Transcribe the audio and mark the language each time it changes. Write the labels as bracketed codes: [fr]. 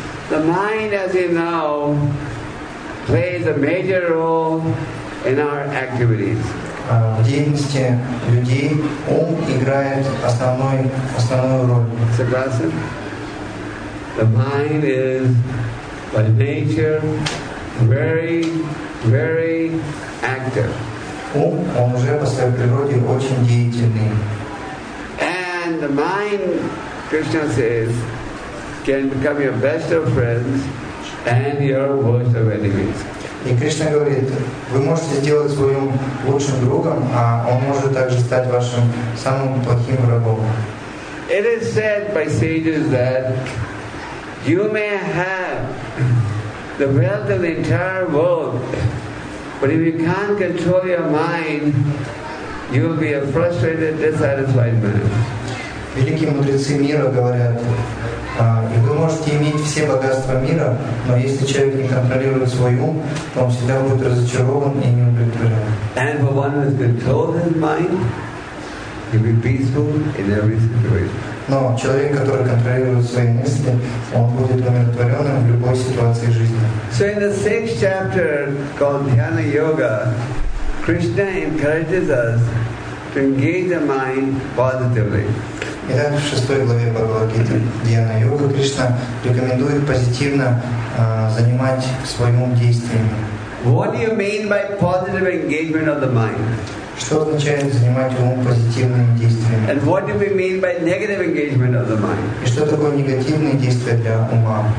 [en] The mind, as you know, plays a major role in our activities. [ru] В деятельности людей ум играет основную роль. Согласен? [en] The mind is by nature very, very active. [ru] Ум уже по своей природе очень деятельный. [en] And the mind, Krishna says, can become your best of friends and your worst of enemies. [ru] И Кришна говорит, вы можете сделать своим лучшим другом, а он может также стать вашим самым плохим врагом. [en] It is said by sages that you may have the wealth of the entire world, but if you can't control your mind, you will be a frustrated, dissatisfied man. [ru] Великие мудрецы мира говорят, и вы можете иметь все богатства мира, но если человек не контролирует свой ум, то он всегда будет разочарован и не удовлетворен. [en] And for one who has controlled his mind, he will be peaceful in every situation. [ru] Но человек, который контролирует свои мысли, он будет умиротворенным в любой ситуации жизни. [en] So in the sixth chapter called Dhyana Yoga, Krishna encourages us to engage the mind positively. [ru] Итак, в шестой главе Бхагавад-гиты Дьяна Йога Кришна рекомендует позитивно занимать свой ум действиями. [en] What do you mean by positive engagement of the mind? [ru] Что означает занимать ум позитивными действиями? [en] And what do we mean by negative engagement of the mind? [ru] И что такое негативные действия для ума?